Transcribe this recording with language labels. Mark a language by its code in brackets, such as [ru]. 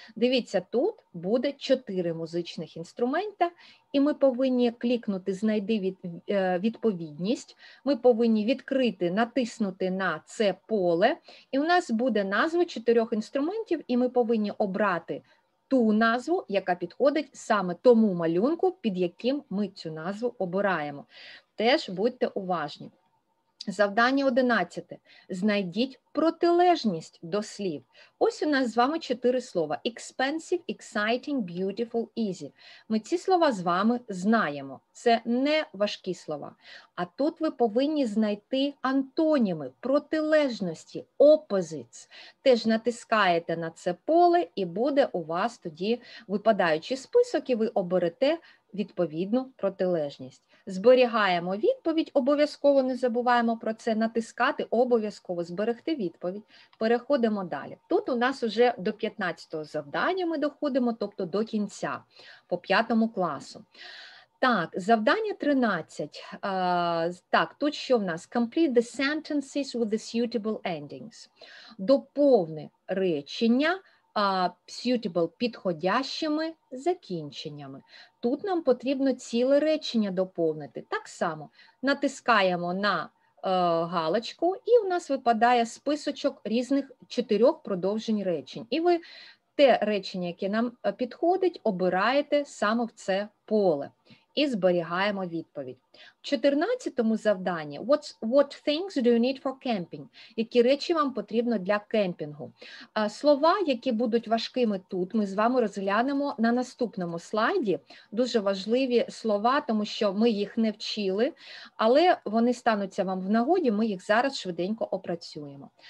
[uk] Дивіться, тут буде 4 музичних інструмента, і ми повинні клікнути «Знайди відповідність», ми повинні відкрити, натиснути на це поле, і у нас буде назва 4 інструментів, і ми повинні обрати ту назву, яка підходить саме тому малюнку, під яким ми цю назву обираємо. Теж будьте уважні. Завдання 11. Знайдіть протилежність до слів. Ось у нас з вами 4 слова. [en] Expensive, exciting, beautiful, easy. [uk] Ми ці слова з вами знаємо. Це не важкі слова. А тут ви повинні знайти антоніми, протилежності, opposites. Теж натискаєте на це поле і буде у вас тоді випадаючий список, і ви оберете відповідну протилежність. Зберігаємо відповідь, обов'язково не забуваємо про це натискати, обов'язково зберегти відповідь. Переходимо далі. Тут у нас уже до 15-го завдання ми доходимо, тобто до кінця, по 5-му класу. Так, завдання 13. Так, тут що в нас? [en] Complete the sentences with the suitable endings. [uk] Доповни речення suitable, підходящими закінченнями. Тут нам потрібно ціле речення доповнити. Так само натискаємо на галочку, і у нас випадає списочок різних 4 продовжень речень. І ви те речення, яке нам підходить, обираєте саме в це поле. І зберігаємо відповідь. В 14-му завданні [en] what things do you need for camping? [uk] Які речі вам потрібно для кемпінгу? Слова, які будуть важкими тут, ми з вами розглянемо на наступному слайді. Дуже важливі слова, тому що ми їх не вчили, але вони стануться вам в нагоді, ми їх зараз швиденько опрацюємо.